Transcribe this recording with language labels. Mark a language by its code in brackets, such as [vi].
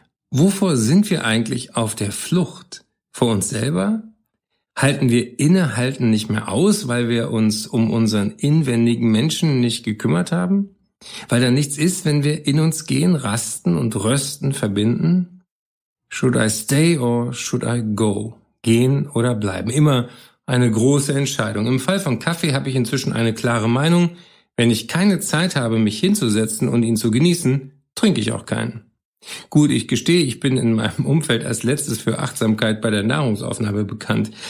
[de] Wovor sind wir eigentlich auf der Flucht? Vor uns selber? Halten wir Innehalten nicht mehr aus, weil wir uns um unseren inwendigen Menschen nicht gekümmert haben? Weil da nichts ist, wenn wir in uns gehen, rasten und rösten, verbinden? [en] Should I stay or should I go? [de] Gehen oder bleiben? Immer eine große Entscheidung. Im Fall von Kaffee habe ich inzwischen eine klare Meinung. Wenn ich keine Zeit habe, mich hinzusetzen und ihn zu genießen, trinke ich auch keinen. Gut, ich gestehe, ich bin in meinem Umfeld als letztes für Achtsamkeit bei der Nahrungsaufnahme bekannt.